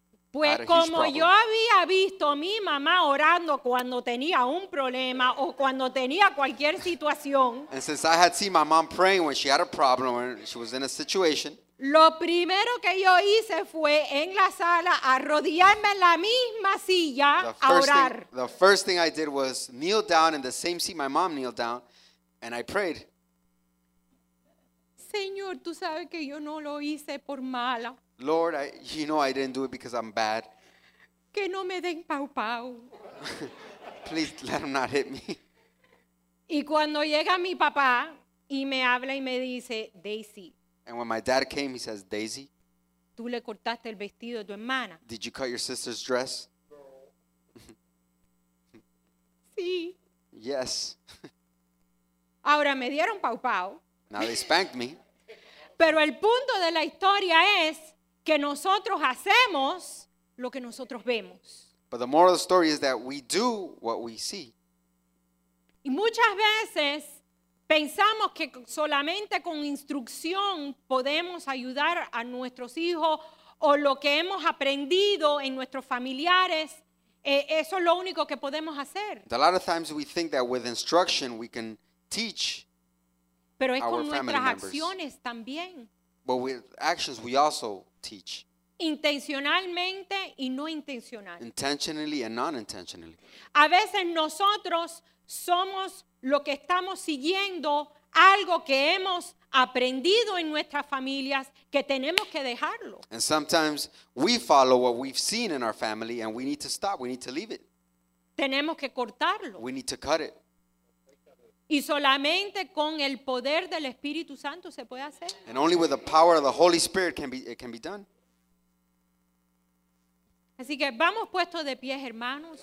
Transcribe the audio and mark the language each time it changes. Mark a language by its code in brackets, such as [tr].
[es] Pues como yo había visto a mi mamá orando cuando tenía un problema o cuando tenía cualquier situación. [en] And since I had seen my mom praying when she had a problem or she was in a situation. [es] Lo primero que yo hice fue en la sala arrodillarme en la misma silla a orar. [en] The first thing I did was kneel down in the same seat my mom kneeled down and I prayed. [es] Señor, tú sabes que yo no lo hice por mala. [en] Lord, you know I didn't do it because I'm bad. [es] Que no me den pau pau. [en] Please let him not hit me. [es] Y cuando llega mi papá y me habla y me dice, Daisy. [en] And when my dad came, he says, Daisy. [es] Tú le cortaste el vestido de tu hermana. [en] Did you cut your sister's dress? [es] Sí. [en] Yes. [es] Ahora me dieron pau pau. [en] Now they spanked me. [es] Pero el punto de la historia es que nosotros hacemos lo que nosotros vemos. [en] But the moral of the story is that we do what we see. [es] Y muchas veces pensamos que solamente con instrucción podemos ayudar a nuestros hijos o lo que hemos aprendido en nuestros familiares, eso es lo único que podemos hacer. [en] A lot of times we think that with instruction we can teach. [es] Pero es con nuestras acciones también. [en] But with actions we also teach. [es] Intencionalmente y no intencional. [en] Intentionally and non-intentionally. [es] A veces nosotros somos lo que estamos siguiendo, algo que hemos aprendido en nuestras familias, que tenemos que dejarlo. [en] And sometimes we follow what we've seen in our family and we need to stop, we need to leave it. [es] Tenemos que cortarlo. [en] We need to cut it. [es] Y solamente con el poder del Espíritu Santo se puede hacer. [en] And only with the power of the Holy Spirit can be done. [es] Así que vamos puestos de pie, hermanos.